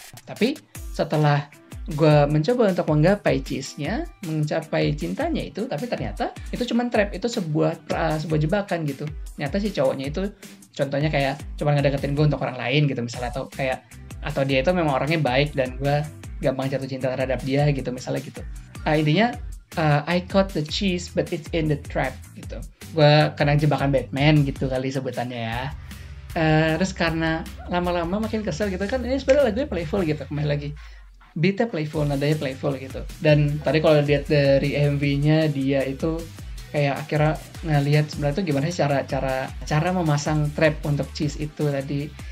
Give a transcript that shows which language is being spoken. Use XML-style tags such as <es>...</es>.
<id>Tapi setelah gue mencoba untuk menggapai cheese-nya, mencapai cintanya itu, tapi ternyata itu cuma trap, itu sebuah jebakan gitu. Ternyata si cowoknya itu contohnya kayak cuma ngedeketin gue untuk orang lain gitu misalnya, atau dia itu memang orangnya baik dan gue gampang jatuh cinta terhadap dia gitu misalnya gitu. Intinya</id> <en>I caught the cheese but it's in the trap gitu.</en> <id>Gue kena jebakan Batman gitu kali sebutannya ya. Terus karena lama-lama makin kesel gitu kan, ini sebenarnya lagunya playful gitu, kembali lagi beatnya playful, nadanya playful gitu. Dan tadi kalau lihat dari MV-nya, dia itu kayak akhirnya ngelihat sebenarnya itu gimana sih cara memasang trap untuk cheese itu tadi.</id>